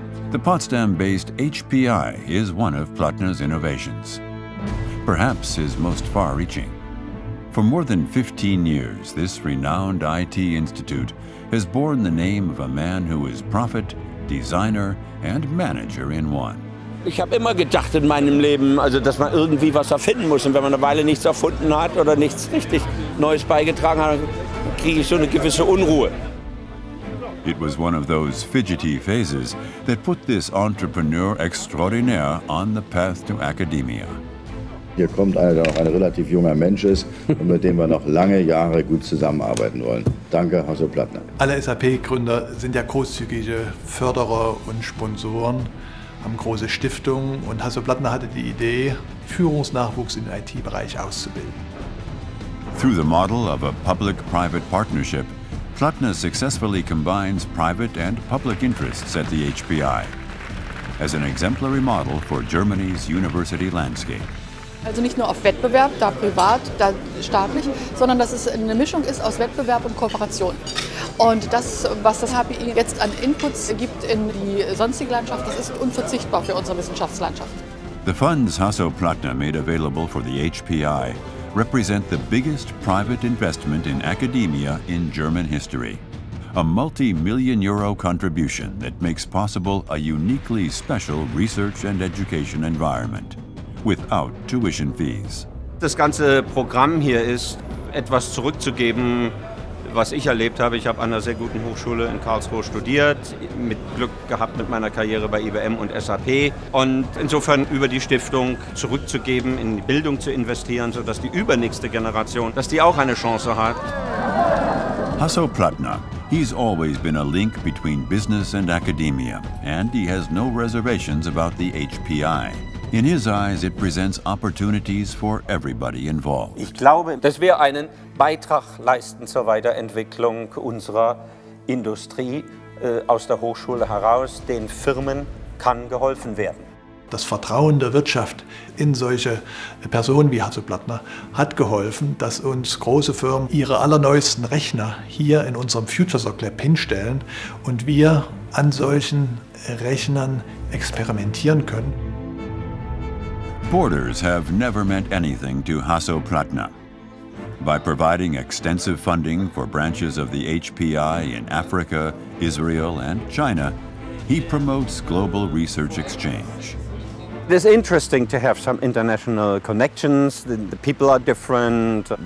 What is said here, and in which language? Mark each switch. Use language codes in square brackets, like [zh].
[en] The Potsdam-based HPI is one of Plattner's innovations, perhaps his most far-reaching. For more than 15 years, this renowned IT institute has borne the name of a man who is prophet, designer, and manager in one. [de] Ich habe immer gedacht in meinem Leben, also dass man irgendwie was erfinden muss. Und wenn man eine Weile nichts erfunden hat oder nichts richtig Neues beigetragen hat, kriege ich so eine gewisse Unruhe. [en] It was one of those fidgety phases that put this entrepreneur extraordinaire on the path to academia. [de] Hier kommt einer, der auch ein relativ junger Mensch ist und mit dem wir noch lange Jahre gut zusammenarbeiten wollen. Danke, Hasso Plattner. Alle SAP-Gründer sind ja großzügige Förderer und Sponsoren, haben große Stiftungen und Hasso Plattner hatte die Idee, Führungsnachwuchs im IT-Bereich auszubilden. [en] Through the model of a public-private partnership, Plattner successfully combines private and public interests at the HPI as an exemplary model for Germany's university landscape. [de] Also nicht nur auf Wettbewerb, da privat, da staatlich, sondern dass es eine Mischung ist aus Wettbewerb und Kooperation. Und das, was das HPI jetzt an Inputs gibt in die sonstige Landschaft, das ist unverzichtbar für unsere Wissenschaftslandschaft. [en] The funds Hasso Plattner made available for the HPI represent the biggest private investment in academia in German history. A multi-million euro contribution that makes possible a uniquely special research and education environment without tuition fees. [de] Das ganze Programm hier ist etwas zurückzugeben, was ich erlebt habe. Ich habe an einer sehr guten Hochschule in Karlsruhe studiert, mit Glück gehabt mit meiner Karriere bei IBM und SAP. Und insofern über die Stiftung zurückzugeben, in die Bildung zu investieren, sodass die übernächste Generation, dass die auch eine Chance hat. [en] Hasso Plattner, he's always been a link between business and academia, and he has no reservations about the HPI. In his eyes, it presents opportunities for everybody involved. [de] Ich glaube, dass wir einen Beitrag leisten zur Weiterentwicklung unserer Industrie aus der Hochschule heraus. Den Firmen kann geholfen werden. Das Vertrauen der Wirtschaft in solche Personen wie Hasso Plattner hat geholfen, dass uns große Firmen ihre allerneuesten Rechner hier in unserem Future Sock Lab hinstellen und wir an solchen Rechnern experimentieren können. [en] Borders have never meant anything to Hasso Plattner. By providing extensive funding for branches of the HPI in Africa, Israel, and China, he promotes global research exchange. It is interesting to have some international connections. The people are different.